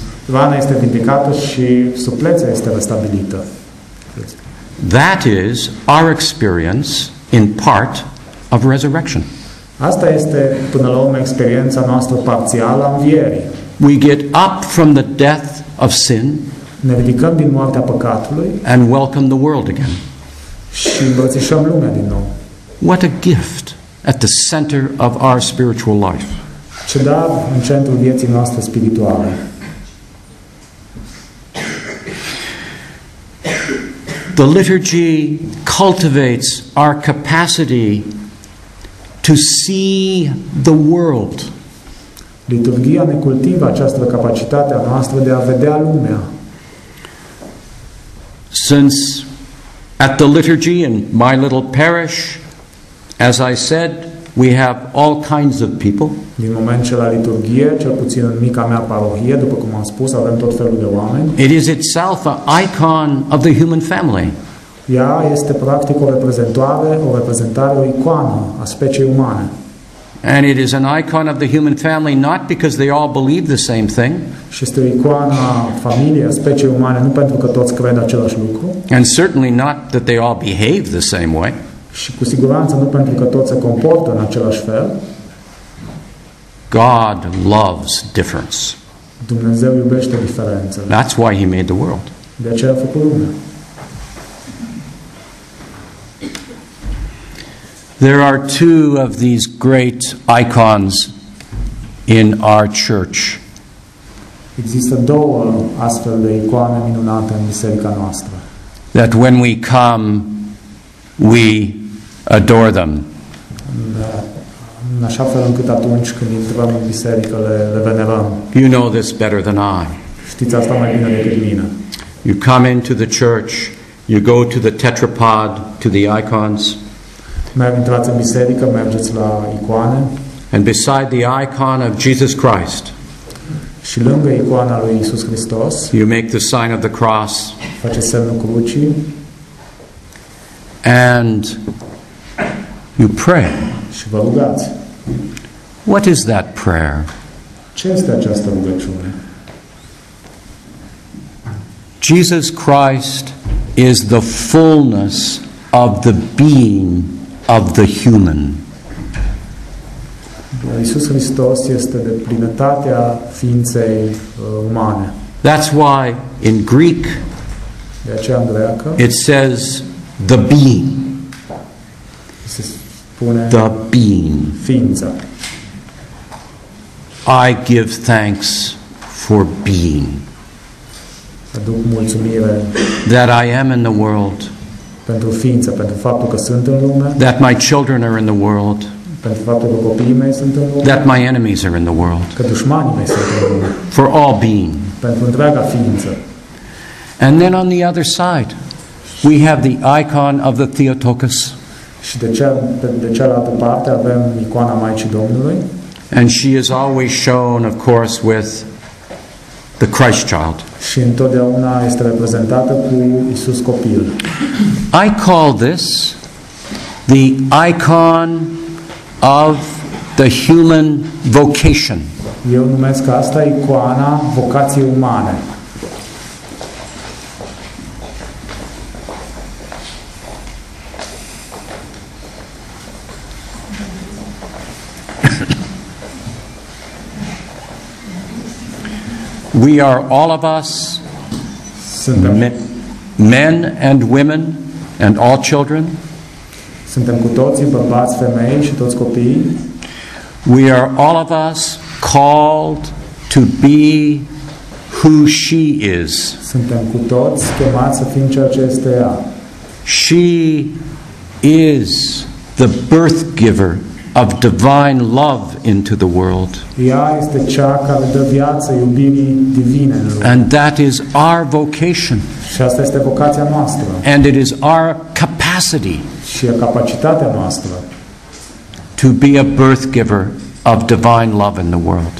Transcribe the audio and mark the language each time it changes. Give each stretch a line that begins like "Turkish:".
Romanian: Rana este vindicată și suplețea este restabilită.
English: That is our experience in part of resurrection.
Romanian: Asta este, până la urmă, experiența noastră parțială a învierii.
English: We get up from the death of sin,
Romanian: ne ridicăm din moartea păcatului,
English: and welcome the world again.
Romanian: Și îmbrățișăm lumea din nou.
English: What a gift at the center of our spiritual life.
Romanian: Ce dar în centrul vieții noastre spirituale.
English: The liturgy cultivates our capacity to see the world.
Romanian: Liturgia ne cultivă această capacitate a noastră de a vedea lumea.
English: Since at the liturgy in my little parish, as I said, we have all kinds of people.
Romanian: Din moment ce la liturghie, cel puțin în mica mea parohie, după cum am spus, avem tot felul de oameni.
English: It is itself an icon of the human family.
Romanian: Ea este practic o reprezentare, o icoană a speciei umane.
English: And it is an icon of the human family not because they all believe the same thing.
Romanian: Și este o icoană a familiei, a speciei umane, nu pentru că toți cred același lucru.
English: And certainly not that they all behave the same way.
Romanian: Și cu siguranță nu pentru că toți se comportă în același fel.
English: God loves difference.
Romanian: Dumnezeu iubește diferența.
English: That's why he made the world.
Romanian: De aceea a făcut lumea.
English: There are two of these great icons in our church.
Romanian: Există două astfel de icoane minunate în biserica noastră.
English: That when we come, we adore them.
Romanian: În așa fel încât atunci când intrăm în biserică le venerăm.
English: You know this better than I.
Romanian: Știți asta mai bine decât mine.
English: You come into the church, you go to the tetrapod, to the icons.
Romanian: Mai intrați în biserică, mergeți la icoane.
English: And beside the icon of Jesus Christ.
Romanian: și lângă icoana lui Iisus Hristos,
English: you make the sign of the cross,
Romanian: face semnul crucii,
English: and you pray.
Romanian: Și vă rugați.
English: What is that prayer?
Romanian: Ce este această rugăciune?
English: Jesus Christ is the fullness of the being of the human.
Romanian: Iisus Hristos este deplinătatea ființei umane.
English: That's why in Greek,
Romanian: de aceea în greacă,
English: it says the being.
Romanian: Se spune
English: the being.
Romanian: Ființa.
English: I give thanks for being.
Romanian: Aduc mulțumire
English: that I am in the world.
Romanian: Pentru ființă, pentru faptul că sunt în lume.
English: That my children are in the world.
Romanian: Pentru faptul că copiii mei sunt în lume.
English: That my enemies are in the world.
Romanian: Că dușmanii mei sunt în lume.
English: For all being.
Romanian: Pentru întreaga ființă.
English: And then on the other side, we have the icon of the Theotokos.
Romanian: Și de cealaltă parte avem icoana Maicii Domnului.
English: And she is always shown, of course, with the Christ child.
Romanian: Și întotdeauna este reprezentată cu Iisus copil.
English: I call this the icon of the human vocation.
Romanian: Eu numesc asta icoana vocației umane.
English: We are all of us, men and women, and all children.
Romanian: Suntem cu toții, bărbați, femei și toți copiii.
English: We are all of us called to be who she is.
Romanian: Suntem cu toți chemați să fim ceea ce este ea.
English: She is the birth giver of divine love into the world.
Romanian: Ea este cea care dă viață iubirii divine în lume.
English: And that is our vocation.
Romanian: Și asta este vocația noastră.
English: And it is our capacity.
Romanian: Și e capacitatea noastră.
English: To be a birth giver of divine love in the world.